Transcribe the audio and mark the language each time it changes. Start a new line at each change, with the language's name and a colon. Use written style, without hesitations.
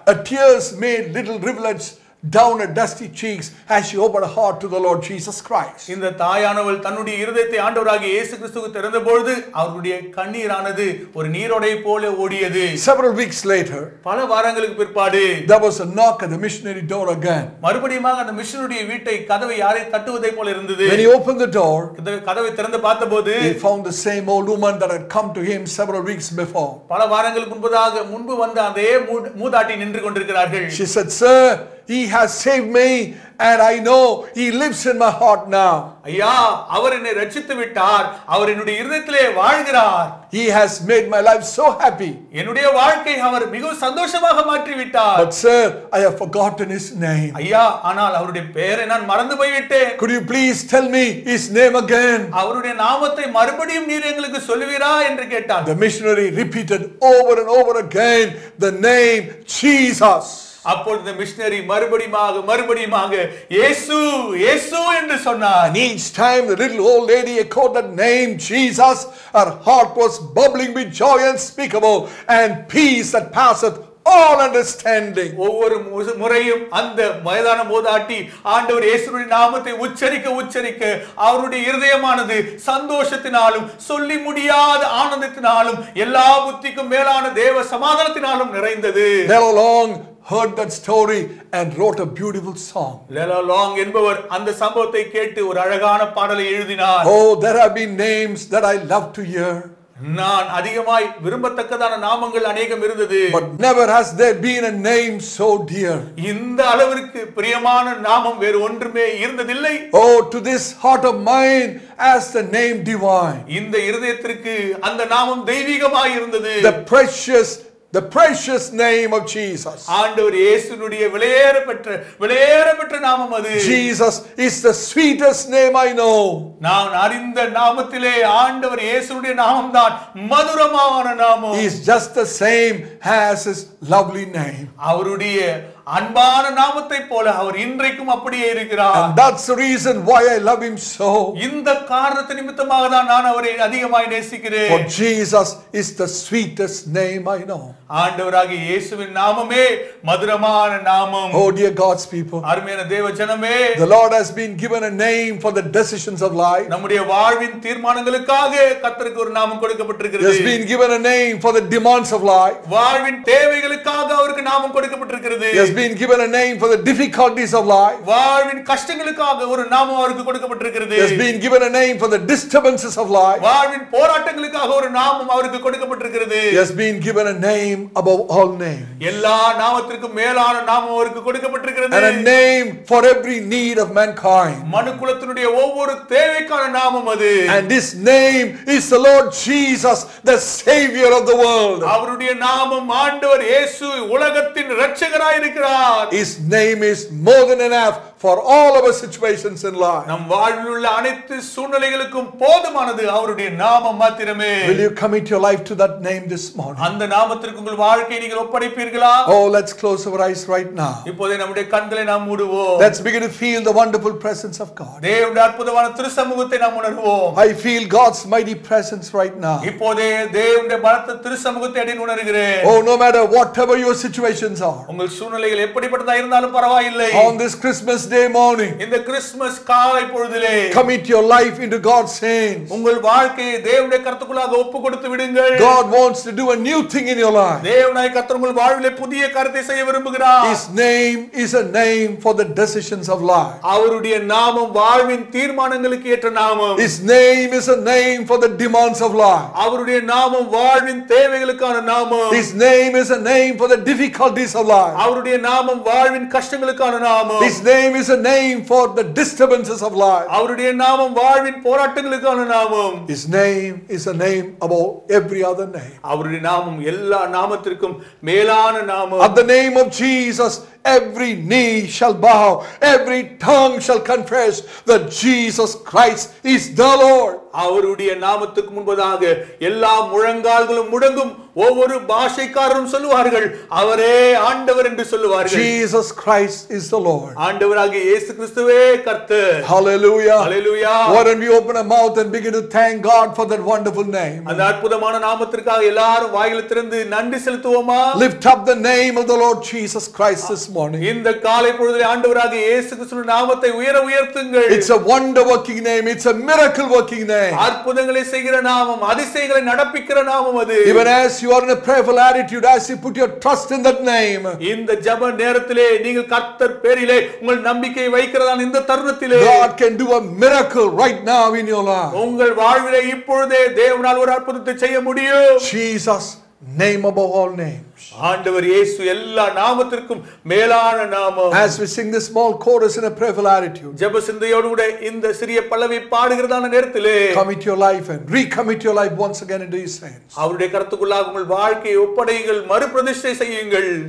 English: A tears made little rivulets down her dusty cheeks as she opened her heart to the Lord Jesus Christ.
Tamil: இந்த தாயானவள் தன்னுடைய இருதயத்தை ஆண்டவராகிய இயேசு கிறிஸ்துவுக்கு திறந்தபொழுது அவருடைய கண்ணீரானது ஒரு நீரோடை போல ஓடியது.
English: Several weeks later,
Tamil: பல வாரங்களுக்கு பிற்பாடு,
English: there was a knock at the missionary door again.
Tamil: மறுபடியும் அந்த மிஷனரியுடைய வீட்டை கதவை யாரை தட்டுவதை போல இருந்தது.
English: When he opened the door,
Tamil: அந்த கதவை திறந்து பார்த்தபோது,
English: he found the same old woman that had come to him several weeks before.
Tamil: பல வாரங்களுக்கு முன்பதாக முன்பு வந்த அதே மூதாட்டி நின்று கொண்டிருக்கிறார்கள்.
English: She said, "Sir, he has saved me and I know he lives in my heart now."
Tamil: ஐயா, அவர் என்னை ரட்சித்து விட்டார், அவர் என்னுடைய இருதயத்திலே வாழ்கிறார்.
English: He has made my life so happy.
Tamil: என்னுடைய வாழ்க்கையை அவர் மிகவும் சந்தோஷமாக மாற்றி விட்டார்.
English: But sir, I have forgotten his name.
Tamil: ஐயா, ஆனால் அவருடைய பெயரை நான் மறந்து போய்விட்டேன்.
English: Could you please tell me his name again?
Tamil: அவருடைய நாமத்தை மறுபடியும் நீர் எங்களுக்கு சொல்லுவீரா என்று கேட்டார்.
English: The missionary repeated over and over again the name Jesus.
Tamil: அப்பொழுது மிஷனரி மறுபடியும் இயேசு இயேசு என்று சொன்னார்.
English: Each time the little old lady echoed that name Jesus, her heart was bubbling with joy unspeakable and peace that passeth all understanding.
Tamil: ஒவ்வொரு முறையும் அந்த வயதான மூதாட்டி ஆண்டவர் இயேசுவின் நாமத்தை உச்சரிக்க உச்சரிக்க அவருடைய இருதயமானது சந்தோஷத்தினாலும் சொல்லி முடியாத ஆனந்தத்தினாலும் எல்லா புத்திக்கும் மேலான தேவ சமாதானத்தினாலும் நிறைந்தது.
English: Heard that story and wrote a beautiful song.
Tamil: Lela Long என்பவர் அந்த சம்பவத்தை கேட்டு ஒரு அழகான பாடலை எழுதினார்.
English: Oh, there have been names that I love to hear.
Tamil: நான் அதிகமாய் விரும்பத்தக்கதான நாமங்கள் அநேகம் இருந்தது.
English: But never has there been a name so dear.
Tamil: இந்த அளவிற்கு பிரியமான நாமம் வேறு ஒன்றுமே இருந்ததில்லை.
English: Oh, to this heart of mine as the name divine.
Tamil: இந்த இருதயத்திற்கு அந்த நாமம் தெய்வீகமாய் இருந்தது.
English: The precious The precious name of Jesus.
Tamil: ஆண்டவர் இயேசுனுடைய விலையேறப்பெற்ற நாமம் அது.
English: Jesus is the sweetest name I know.
Tamil: நான் அறிந்த நாமத்திலே ஆண்டவர் இயேசுனுடைய நாமம்தான் மதுரமான நாமம்.
English: He is just the same as his lovely name.
Tamil: அவருடைய அன்பான நாமத்தை போல அவர் இன்றைக்கும் அப்படியே இருக்கிறார்.
English: And that's the reason why I love him so.
Tamil: இந்த காரணத்தை நிமித்தமாக தான் நான் அவரை அதிகமாய் நேசிக்கிறேன்.
English: For Jesus is the sweetest name I know.
Tamil: ஆண்டவராகிய இயேசுவின் நாமமே மதுரமான நாமம்.
English: Oh dear God's people.
Tamil: அருமையான தேவ ஜனமே.
English: The Lord has been given a name for the decisions of life.
Tamil: நம்முடைய வாழ்வின் தீர்மானங்களுக்காக கர்த்தருக்கு ஒரு நாமம் கொடுக்கப்பட்டிருக்கிறது.
English: He has been given a name for the demands of life.
Tamil: வாழ்வின் தேவைகளுக்காக அவருக்கு நாமம் கொடுக்கப்பட்டிருக்கிறது.
English: He has been given a name for the difficulties of life.
Tamil: வாழ்வின் கஷ்டங்களுக்காக ஒரு நாமம் அவருக்கு கொடுக்கப்பட்டிருக்கிறது.
English: He has been given a name for the disturbances of life.
Tamil: வாழ்வின் போராட்டங்களுக்காக ஒரு நாமம் அவருக்கு கொடுக்கப்பட்டிருக்கிறது.
English: He has been given a name above all names.
Tamil: எல்லா நாமத்திற்கும் மேலான நாமம் அவருக்கு கொடுக்கப்பட்டிருக்கிறது.
English: And a name for every need of mankind.
Tamil: மனுக்குலத்தினுடைய ஒவ்வொரு தேவைக்கான நாமம் அது.
English: And this name is the Lord Jesus, the savior of the world.
Tamil: அவருடைய நாமம் ஆண்டவர் இயேசு உலகத்தின் இரட்சகராய் இருக்கிறார்.
English: His name is more than enough for all of our situations in life.
Tamil: நம் வாழ்வில் உள்ள அனைத்து சூழ்நிலைகளுக்கும் போதுமானது அவருடைய நாமம் மாத்திரமே.
English: Will you commit your life to that name this morning?
Tamil: அந்த நாமத்திற்கு உங்கள் வாழ்க்கையை நீங்கள் ஒப்படைப்பீர்களா?
English: Oh, let's close our eyes right now.
Tamil: இப்போதே நம்முடைய கண்களை நாம் மூடுவோம்.
English: Let's begin to feel the wonderful presence of God.
Tamil: தேவனுடைய அற்புதமான திருசமூகத்தை நாம் உணர்வோம்.
English: I feel God's mighty presence right now.
Tamil: இப்போதே தேவனுடைய பலத்த திருசமூகத்தை அடைந்து உணர்கிறேன்.
English: Oh, no matter whatever your situations are.
Tamil: உங்கள் சூழ்நிலைகள் எப்படிப்பட்டதா இருந்தாலும் பரவாயில்லை.
English: On this Christmas day morning, in the
Tamil: Christmas காலை பொழுதிலே,
English: commit your life into God's hands.
Tamil: உங்கள் வாழ்க்கையை தேவனுடைய கரத்துக்குள்ளாக ஒப்பு கொடுத்து விடுங்கள்.
English: God wants to do a new thing in your life.
Tamil: தேவனாய் கர்த்தர் உங்கள் வாழ்விலே புதிய காரியத்தை செய்ய விரும்புகிறார்.
English: His name is a name for the decisions of life.
Tamil: அவருடைய நாமம் வாழ்வின் தீர்மானங்களுக்கு ஏற்ற நாமம்.
English: His name is a name for the demands of life.
Tamil: அவருடைய நாமம் வாழ்வின் தேவைகளுக்கான நாமம்.
English: His name is a name for the difficulties of life.
Tamil: அவருடைய நாமம் வாழ்வின் கஷ்டங்களுக்கான நாமம்.
English: His name is a name for the disturbances of life.
Tamil: அவருடைய நாமம் வாழ்வின் போராட்டங்களுக்கான நாமம்.
English: His name is a name above every other name.
Tamil: அவருடைய நாமம் எல்லா நாமத்திற்கும் மேலான நாமம்.
English: At the name of Jesus, every knee shall bow, every tongue shall confess that Jesus Christ is the Lord.
Tamil: அவருடைய நாமத்துக்கு முன்பதாக எல்லா முழங்கால்களும் முடங்கும். ஒவ்வொரு பாஷைக்காரரும் சொல்லுவார்கள், அவரே ஆண்டவர் என்று சொல்லுவார்கள்.
English: Jesus Christ is the Lord.
Tamil: ஆண்டவராகிய இயேசு கிறிஸ்துவே கர்த்தர்.
English: Hallelujah. Hallelujah. Why don't we open our mouth and begin to thank God for that wonderful name?
Tamil: அந்த அற்புதமான நாமத்திற்காக எல்லாரும் வாயில திறந்து நன்றி செலுத்துவோமா?
English: Lift up the name of the Lord Jesus Christ this morning.
Tamil: இந்த காலை பொழுதில் ஆண்டவராகிய இயேசு கிறிஸ்துவின் நாமத்தை உயர உயர்த்துங்கள்.
English: It's a wonder working name. It's a miracle working name.
Tamil: அற்புதங்களை செய்கிற நாமம், அதிசயங்களை நடப்பிக்கிற நாமம் அது.
English: Even as you are in a prayerful attitude, as you put your trust in that name,
Tamil: இந்த ஜப நேரத்திலே நீங்கள் கர்த்தர் பேரிலே உங்கள் நம்பிக்கையை வைக்கிறதான் இந்த தருணத்திலே,
English: God can do a miracle right now in your life.
Tamil: உங்கள் வாழ்விலே இப்பொழுதே தேவனால் ஒரு அற்புதத்தை செய்ய முடியும்.
English: Jesus, name above all names.
Tamil: ஆண்டவர் இயேசு எல்லா நாமத்திற்கும் மேலான நாமம்.
English: As we sing this small chorus in a prayerful attitude,
Tamil: ஜெப சிந்தையோடு இந்த சிறிய பல்லவி பாடுகிறதான நேரத்திலே,
English: commit your life and recommit your life once again into His hands.
Tamil: அவருடைய கரத்துக்குள்ளாக உங்கள் வாழ்க்கையை ஒப்படையுங்கள், மறுபிரதிஷ்டை செய்யுங்கள்.